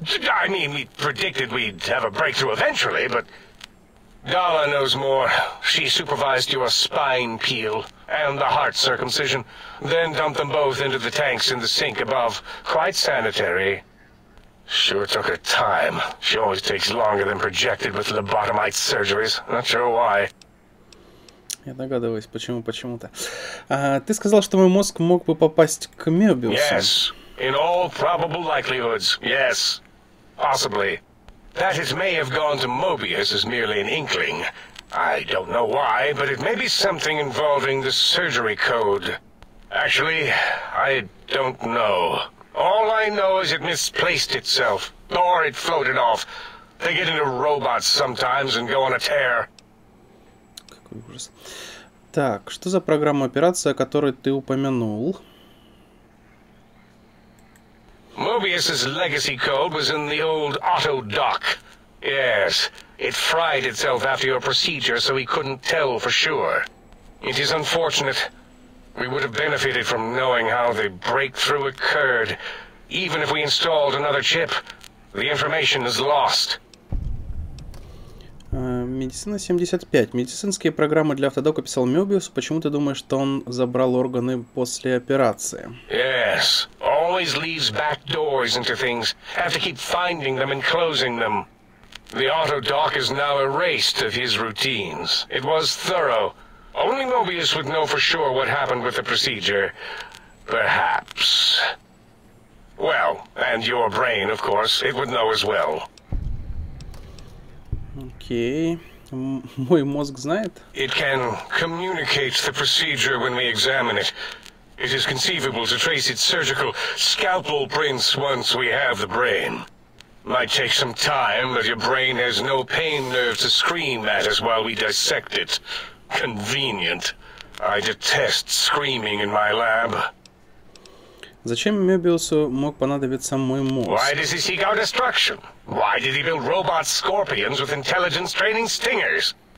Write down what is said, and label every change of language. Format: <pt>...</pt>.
<en>I mean, we predicted we'd have a breakthrough eventually, but... Dala knows more. She supervised your spine peel and the heart circumcision, then dumped them both into the tanks in the sink above. Quite sanitary. Sure took her time. She always takes longer than projected with lobotomite surgeries. Not sure why.</en> <ru>Я догадываюсь, почему-то. Ты сказал, что мой мозг мог бы попасть к Мёбиусу.</ru> <en>Yes. In all probable likelihoods, yes. Possibly. That it may have gone to Mobius is merely an inkling. I don't know why, but it may be something involving the surgery code. Actually, I don't know. All I know is it misplaced itself, or it floated off. They get into robots sometimes and go on a tear.</en> <ru>Какой ужас. Так, что за программа операции, о которой ты упомянул?</ru> <en>Mobius's legacy code was in the old autodoc. Yes, it fried itself after your procedure, so he couldn't tell for sure. It is unfortunate. We would have benefited from knowing how the breakthrough occurred. Even if we installed another chip, the information is lost.</en> <ru>Медицина 75. Медицинские программы для автодока писал Мёбиус. Почему ты думаешь, что он забрал органы после операции?</ru> <en>Yes. Always leaves back doors into things. Have to keep finding them and closing them. The autodoc is now erased of his routines. It was thorough. Only Mobius would know for sure what happened with the procedure. Perhaps. Well, and your brain, of course, it would know as well.</en> <ru>Окей. Мой мозг знает?</ru> <en>It can communicate the procedure when we examine it. It is conceivable to trace its surgical scalpel prints once we have the brain. Might take some time, but your brain has no pain nerve to scream at us while we dissect it. Convenient. I detest screaming in my lab.</en> <ru>Зачем Мёбиусу мог понадобиться мой мозг?</ru> <en>Why does he seek our destruction? Why did he build robot scorpions with intelligence training stingers?</en>